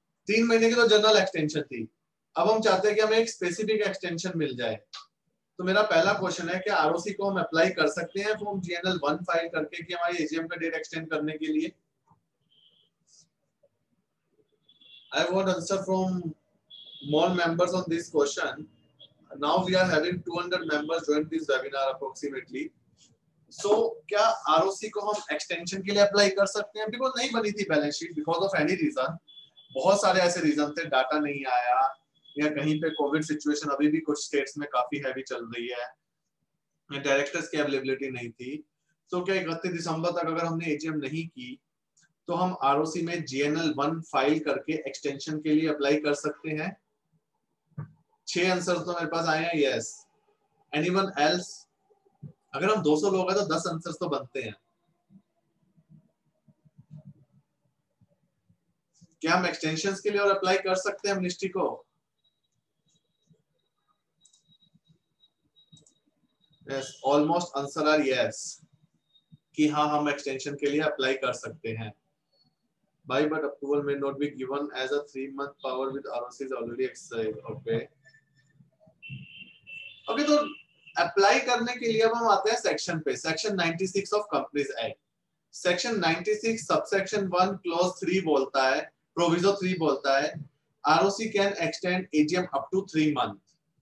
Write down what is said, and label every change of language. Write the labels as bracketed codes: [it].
[hi] 3 महीने की तो जनरल एक्सटेंशन थी, अब हम चाहते हैं कि हमें एक स्पेसिफिक एक्सटेंशन मिल जाए। तो मेरा पहला क्वेश्चन है कि आरओसी को हम अप्लाई कर सकते हैं फॉर्म जीएनएल 1 फाइल करके कि हमारी एजीएम का डेट एक्सटेंड करने के लिए? [en] I want answer from more members on this question, now we are having 200 members join this webinar approximately. [hi] So, क्या ROC को हम extension के लिए apply कर सकते हैं? Because नहीं बनी थी balance sheet [en] because of any reason. [hi] बहुत सारे ऐसे reason थे, data नहीं आया या कहीं पे COVID situation अभी भी कुछ states में काफी heavy चल रही है. Directors की availability नहीं थी. तो क्या 31 दिसंबर तक अगर हमने AGM नहीं की तो हम ROC में GNL 1 फाइल करके एक्सटेंशन के लिए अप्लाई कर सकते हैं? 6 आंसर्स तो मेरे पास आए हैं, [en] Yes. Anyone else? [hi] अगर हम 200 लोग हैं तो 10 आंसर्स तो बनते हैं. क्या हम एक्सटेंशन के लिए और अप्लाई कर सकते हैं एमनेस्टी को? [en] yes, almost answer are yes [hi] कि हाँ हम एक्सटेंशन के लिए अप्लाई कर सकते हैं. [en] By but approval may not be given as a 3-month power with ROC is already exercised. Okay. [hi] तो apply करने के लिए अब हम आते हैं section पे. [en] Section 96 of Companies Act. Section 96 subsection 1 clause 3 [hi] बोलता है, [en] proviso 3 बोलता है, ROC can extend AGM up to 3 months.